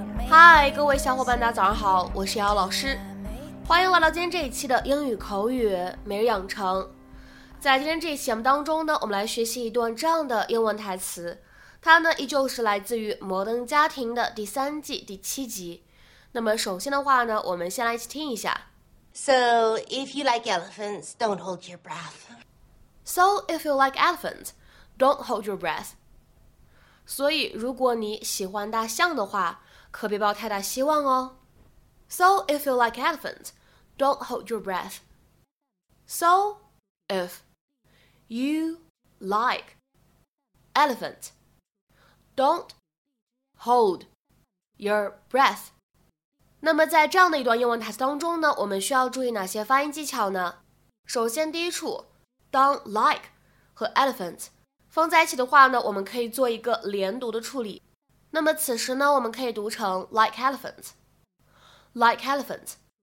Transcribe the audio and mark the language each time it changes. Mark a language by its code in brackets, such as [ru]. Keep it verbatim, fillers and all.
[zh] 嗨，各位小伙伴，大家早上好，我是瑶老师，欢迎来到今天这一期的英语口语每日养成。在今天这一期节目当中呢，我们来学习一段这样的英文台词，它呢依旧是来自于《摩登家庭》的第三季第七集。那么首先的话呢，我们先来一起听一下。 [en] So if you like elephants, don't hold your breath. So if you like elephants, don't hold your breath. [zh] 所以如果你喜欢大象的话，可别抱太大希望哦。 [en] So if you like elephants, don't hold your breath. So if you like elephants, don't hold your breath. [zh] 那么在这样的一段英文台词当中呢，我们需要注意哪些发音技巧呢？首先第一处，当 like 和 elephants 放在一起的话呢，我们可以做一个连读的处理。那么此时呢，我们可以读成 [en] like elephants, like elephants。